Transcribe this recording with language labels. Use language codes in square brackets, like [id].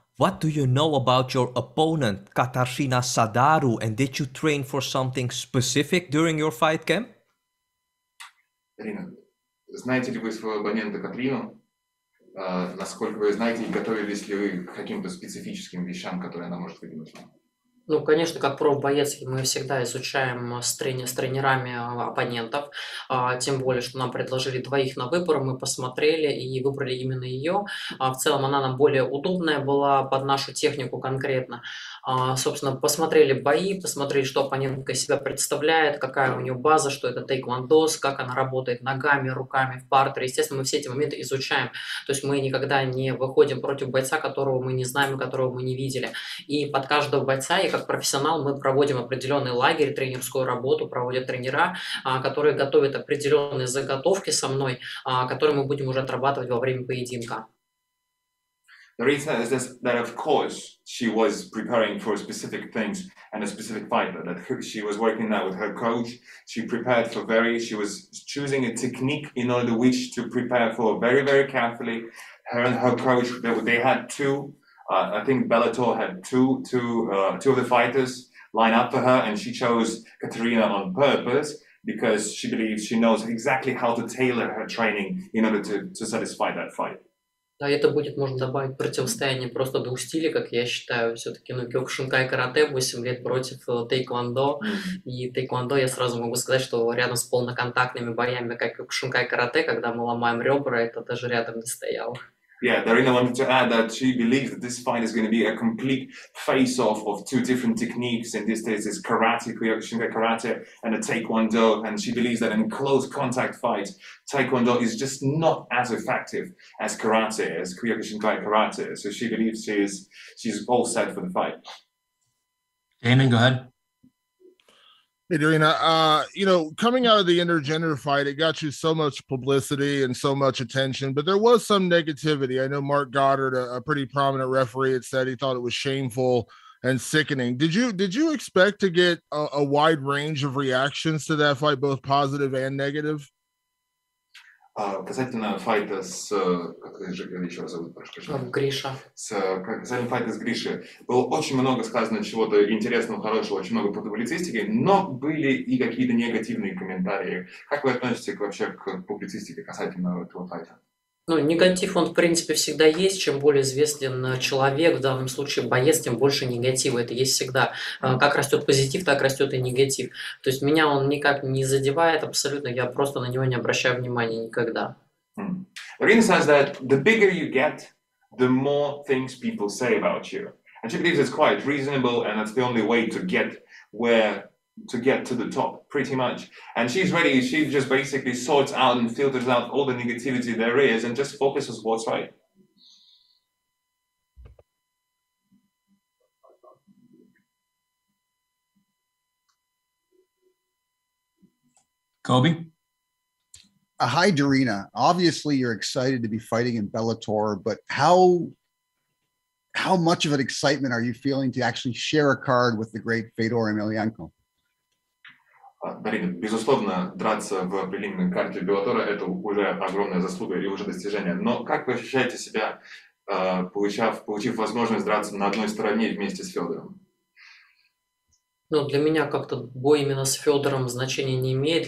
[en] What do you know about your opponent, Katarzyna Sadaru, and did you train for something specific during your fight camp? [ru] Дарина, знаете ли вы своего оппонента Катрину? Насколько вы знаете, готовились ли вы к каким-то специфическим вещам, которые она может выдвинуть? Ну, конечно, как профбоец мы всегда изучаем с тренерами оппонентов. Тем более, что нам предложили двоих на выбор, мы посмотрели и выбрали именно ее. В целом, она нам более удобная была под нашу технику конкретно. Собственно, посмотрели бои, посмотрели, что оппонентка из себя представляет, какая у нее база, что это тэквондо, как она работает ногами, руками в партере. Естественно, мы все эти моменты изучаем. То есть мы никогда не выходим против бойца, которого мы не знаем, которого мы не видели. И под каждого бойца, и как профессионал, мы проводим определенный лагерь, тренерскую работу проводят тренера, которые готовят определенные заготовки со мной, которые мы будем уже отрабатывать во время поединка. [en] The reason is this, that, of course, she was preparing for specific things and a specific fighter. That she was working out with her coach. She prepared for very. She was choosing a technique in order which to prepare for very, very carefully. Her and her coach. They had two. I think Bellator had two of the fighters line up for her, and she chose Katarzyna on purpose because she believes she knows exactly how to tailor her training in order to satisfy that fight. [ru] Да, это будет, можно добавить, противостояние просто двух стилей, как я считаю, все-таки, ну, кёкушинкай карате, 8 лет против тэквондо, и тэквондо, я сразу могу сказать, что рядом с полноконтактными боями, как кёкушинкай карате, когда мы ломаем ребра, это даже рядом не стояло. [en] Yeah, Дарина wanted to add that she believes that this fight is going to be a complete face-off of two different techniques, and this is this karate, kyokushinkai karate, and a taekwondo, and she believes that in close contact fights, taekwondo is just not as effective as karate, as kyokushinkai karate, so she believes she's all set for the fight. Damon, go ahead. Hey, Dorina, you know, coming out of the intergender fight, it got you so much publicity and so much attention, but there was some negativity. I know Mark Goddard, a pretty prominent referee, had said he thought it was shameful and sickening. Did you expect to get a wide range of reactions to that fight, both positive and negative? [ru] Касательно файта с, как же еще раз зовут, прошу прощения, Гриша. Касательно файта с Гришей было очень много сказано чего-то интересного, хорошего, очень много публицистики, но были и какие-то негативные комментарии. Как вы относитесь вообще к публицистике касательно этого файта? Ну, негатив, он, в принципе, всегда есть. Чем более известен человек, в данном случае боец, тем больше негатива. Это есть всегда. Как растет позитив, так растет и негатив. То есть меня он никак не задевает абсолютно. Я просто на него не обращаю внимания никогда. [en] Rina says that the bigger you get, the more things people say about you. And she believes it's quite reasonable, and that's the only way to get where... to get to the top, pretty much. And she's ready, she just basically sorts out and filters out all the negativity there is and just focuses what's right. Kobe? Hi, Dorina. Obviously, you're excited to be fighting in Bellator, but how much of an excitement are you feeling to actually share a card with the great Fedor Emelianenko? [ru] Дарина, безусловно, драться в прелиминарной карте Беллатора – это уже огромная заслуга и уже достижение. Но как вы ощущаете себя, получив возможность драться на одной стороне вместе с Федором? Ну, для меня как-то бой именно с Федором значения не имеет.